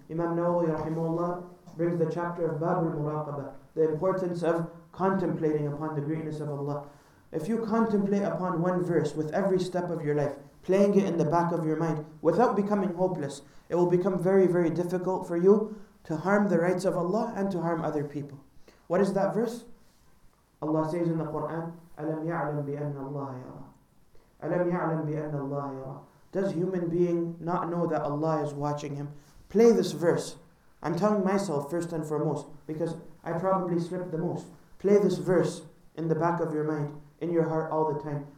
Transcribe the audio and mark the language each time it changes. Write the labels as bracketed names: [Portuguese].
[English] Imam Nawawi rahimahullah brings the chapter of Babul Muraqabah, the importance of contemplating upon the greatness of Allah. If you contemplate upon one verse with every step of your life, playing it in the back of your mind, without becoming hopeless, it will become very, very difficult for you to harm the rights of Allah and to harm other people. What is that verse? Allah says in the Quran, [Arabic] أَلَمْ يَعْلَمْ بِأَنَّ اللَّهَ يَرَى أَلَمْ يَعْلَمْ بِأَنَّ اللَّهَ يَرَى. [English] Does human being not know that Allah is watching him? Play this verse. I'm telling myself first and foremost, because I probably slip the most. Play this verse in the back of your mind, in your heart all the time.